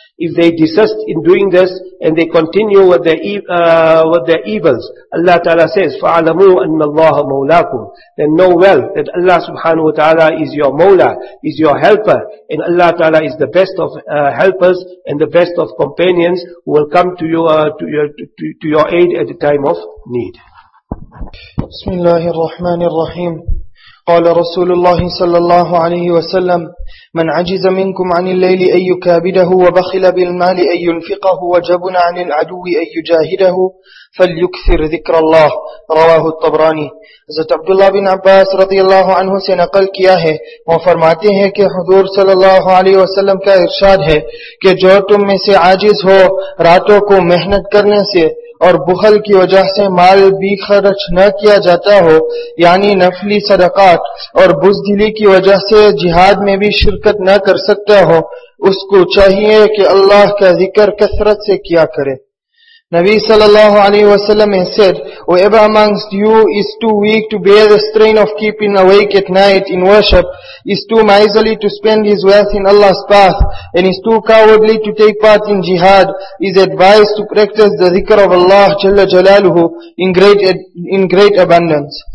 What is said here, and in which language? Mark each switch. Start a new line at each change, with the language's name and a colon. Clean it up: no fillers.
English: If they desist in doing this and they continue with their evils, Allah Ta'ala says,
Arabic: فَعَلَمُوا أَنَّ اللَّهَ مَوْلَاكُمْ.
English: Then know well that Allah subhanahu wa ta'ala is your mawla, is your helper, and Allah Ta'ala is the best of helpers and the best of companions who will come to you to your aid at the time of need.
Arabic: Bismillahir Rahmanir Rahim. قال رسول الله صلى الله عليه وسلم من عجز منكم عن الليل أن يكابده وبخل بالمال أن ينفقه وجبن عن العدو أن يجاهده فليكثر ذكر الله رواه الطبراني.
Urdu: حضرت عبداللہ بن عباس رضی اللہ عنہ سے نقل کیا ہے, وہ فرماتے ہیں کہ حضور صلی اللہ علیہ وسلم کا ارشاد ہے کہ جو تم میں سے عاجز ہو راتوں کو محنت کرنے سے اور بخل کی وجہ سے مال بھی خرچ نہ کیا جاتا ہو, یعنی نفلی صدقات, اور بزدلی کی وجہ سے جہاد میں بھی شرکت نہ کر سکتا ہو, اس کو چاہیے کہ اللہ کا ذکر کثرت سے کیا کرے.
English: Nabi sallallahu alaihi wasallam has said, whoever amongst you is too weak to bear the strain of keeping awake at night in worship, is too miserly to spend his wealth in Allah's path, and is too cowardly to take part in jihad, is advised to practice the dhikr of Allah jalla jalaluhu in great abundance.